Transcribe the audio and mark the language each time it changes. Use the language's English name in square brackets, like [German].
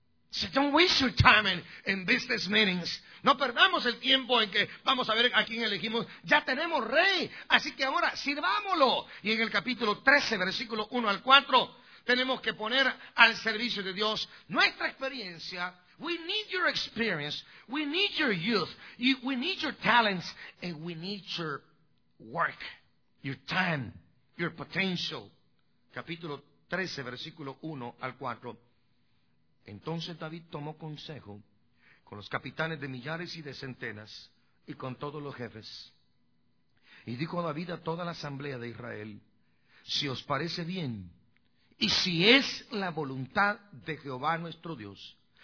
[English] So don't waste your time in business meetings. [Spanish] No perdamos el tiempo en que vamos a ver a quién elegimos. Ya tenemos rey, así que ahora sirvámoslo. Y en el capítulo 13, versículo 1 al 4, tenemos que poner al servicio de Dios nuestra experiencia. [English] We need your experience, we need your youth, we need your talents, and we need your work, your time, your potential. [Spanish] Capítulo 13, versículo 1 al 4. Entonces David tomó consejo con los capitanes de millares y de centenas y con todos los jefes. Y dijo David a toda la asamblea de Israel: si os parece bien, y si es la voluntad de Jehová nuestro Dios,